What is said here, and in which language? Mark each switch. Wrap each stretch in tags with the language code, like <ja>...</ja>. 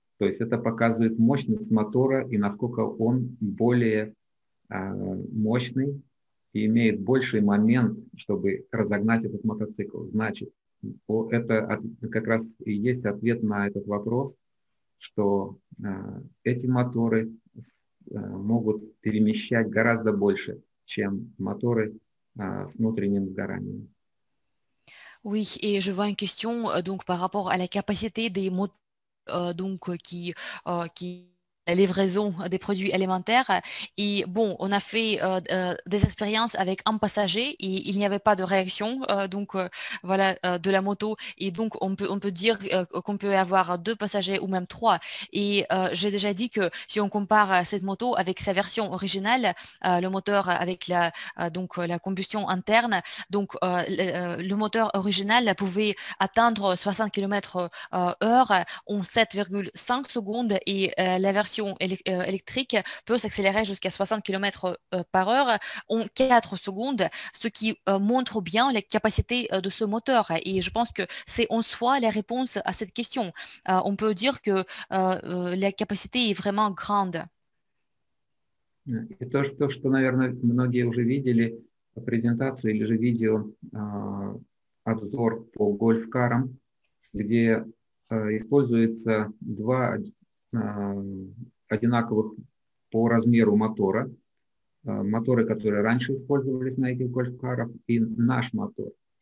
<ru>То есть это показывает мощность мотора и насколько он более мощный и имеет больший момент, чтобы разогнать этот мотоцикл. Значит, это как раз и есть ответ на этот вопрос, что эти моторы могут перемещать гораздо больше, чем моторы с внутренним сгоранием.</ru> <fr>Oui, et je vois une question donc par rapport à la capacité des moteurs donc qui livraison des produits alimentaires. Et bon, on a fait des expériences avec un passager et il n'y avait pas de réaction donc, voilà, de la moto. Et donc, on peut dire qu'on peut avoir deux passagers ou même trois. Et j'ai déjà dit que si on compare cette moto avec sa version originale, le moteur avec la, donc, la combustion interne, donc le moteur original pouvait atteindre 60 km/h en 7,5 secondes et la version électrique peut s'accélérer jusqu'à 60 km/h en 4 secondes, ce qui montre bien les capacités de ce moteur. Et je pense que c'est en soi la réponse à cette question. On peut dire que la capacité est vraiment grande.</fr> <ru>И то, что, наверное, многие уже видели по презентации или же видео, обзор по гольф-карам, где используется два одинаковых по размеру мотора, моторы, которые раньше использовались на этих гольф-карах, и наш мотор.</ru>